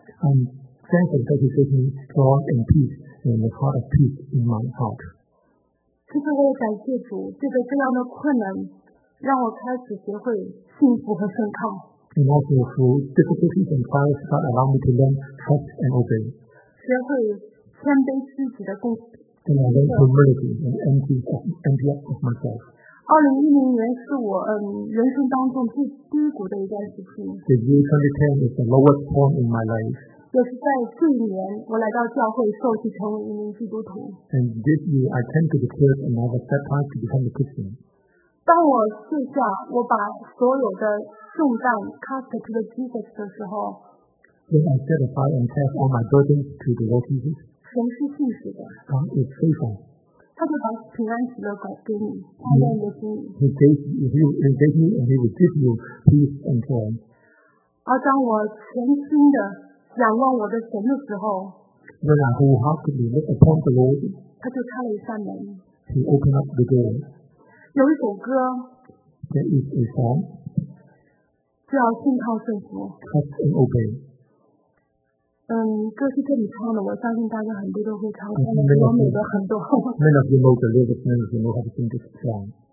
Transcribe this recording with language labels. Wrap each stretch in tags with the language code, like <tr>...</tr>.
<en>I'm thankful that he gave me joy and peace and the heart of peace in my heart.</en> <zh>其实我也感谢主，这样的困难让我开始学会幸福和顺靠。</zh> <en>And also through difficulties and trials that allow me to learn trust and obey. Then I learn humility and empty up of myself.</en> <zh>2010年是我人生当中最低谷的一段时期。</zh> <en>The year 2010 is the lowest point in my life.</en> <zh>就是在这一年，我来到教会受洗成为一名基督徒。</zh> <en>And this year I came to the church and I was baptized to become a Christian.</en> <zh>当我卸下，我把所有的重担</zh> <en>cast to the Jesus</en> <zh>的时候，</zh> <en>When I set aside and cast all my burdens to the Lord Jesus,</en> <zh>神是信实的，</zh> <en>God is faithful.</en> <zh>他就把平安喜乐给你，安慰的心。</zh> <en>He gave me and He will give you peace and joy.</en> <zh>而当我全心的仰望我的神的时候，</zh> <en>When I wholeheartedly look upon the Lord,</en> <zh>他就开了一扇门。</zh> <en>He opened up the door.</en> <zh>有一首歌，</zh> <en>There is a song.</en> <zh>叫信靠顺服。</zh> <en>Trust and obey。</en> <zh>歌是这里唱的，我相信大家很多都会唱，但是我美的很多。</zh> <en>Many of you know the lyrics, many of you know how to sing this song。</en>